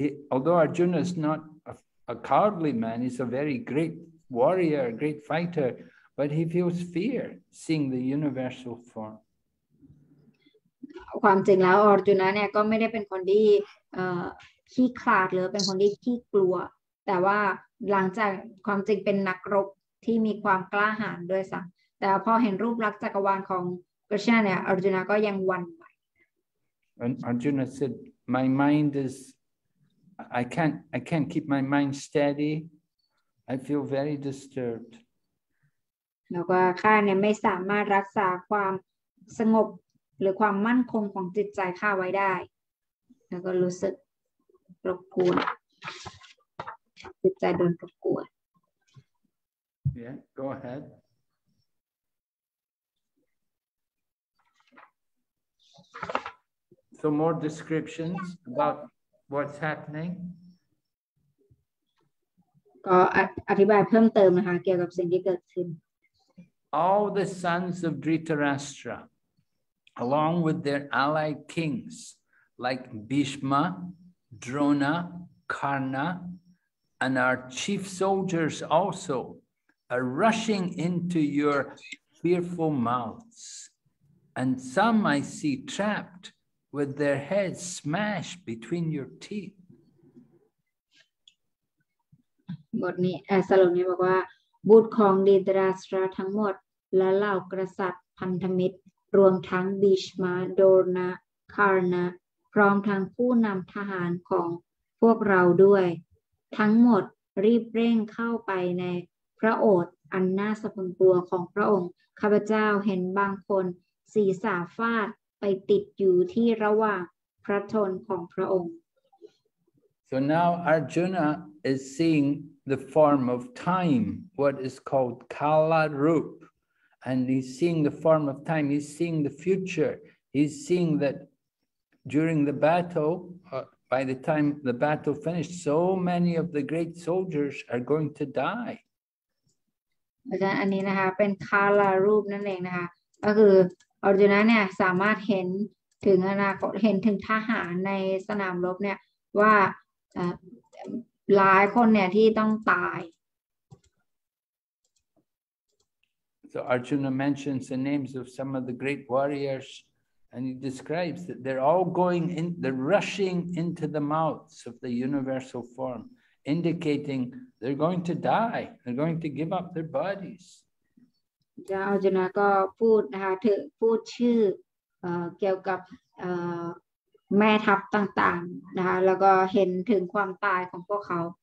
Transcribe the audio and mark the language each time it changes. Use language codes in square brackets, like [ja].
[en] Although Arjuna is not a cowardly man, he's a very great warrior, a great fighter, but he feels fear seeing the universal form. [th] ความจริงแล้วอาร์จุนะเนี่ยก็ไม่ได้เป็นคนที่ขี้ขลาดหรือเป็นคนที่ขี้กลัวแต่ว่าหลังจากความจริงเป็นนักรบที่มีความกล้าหาญด้วยซ้ำแต่พอเห็นรูปลักษณ์จักรวาลของKrishna เนี่ย Arjuna ก็ยังหวั่นไหว [en] And Arjuna said my mind is I can't keep my mind steady I feel very disturbed [th] แล้วก็ข้าเนี่ยไม่สามารถรักษาความสงบหรือความมั่นคงของจิตใจข้าไว้ได้แล้วก็รู้สึกรบกวนจิตใจโดนรบกวน [en] Yeah go aheadSo more descriptions about what's happening. [th] ก็อธิบายเพิ่มเติมนะคะเกี่ยวกับสิ่งที่เกิดขึ้น [en] All the sons of Dhritarashtra, along with their allied kings like Bhishma, Drona, Karna, and our chief soldiers also, are rushing into your fearful mouths. And some I see trapped with their heads smashed between your teeth. [th] บทนี้สรุปนี้บอกว่าบุตรของดีตราสตราทั้งหมดและเหล่ากษัตริย์พันธมิตรรวมทั้งบีชมาโดนาคาร์นาพร้อมทั้งผู้นำทหารของพวกเราด้วยทั้งหมดรีบเร่งเข้าไปในพระโอษฐ์อันน่าสะพรึงกลัวของพระองค์ข้าพเจ้าเห็นบางคนศีรษะฟาดไปติดอยู่ที่ระหว่างพระทนของพระองค์ [en] So now Arjuna is seeing the form of time what is called Kala Roop and he's seeing the form of time he's seeing the future he's seeing that during the battle by the time the battle finished so many of the great soldiers are going to die [th] อาจารย์อันนี้นะคะเป็น Kala Roop นั่นเองนะคะก็คืออรจุนะเนี่ยสามารถเห็นถึงอนาคตเห็นถึงทหารในสนามรบเนี่ยว่าหลายคนเนี่ยที่ต้องตาย [en] So Arjuna mentions the names of some of the great warriors and he describes that they're all going in they're rushing into the mouths of the universal form indicating they're going to die they're going to give up their bodies. [th] จะเอาจนะก็พูดนะคะถึงพูดชื่อเกี่ยวกับแม่ทัพต่างๆนะคะแล้วก็เห็นถึงความตายของพวกเขา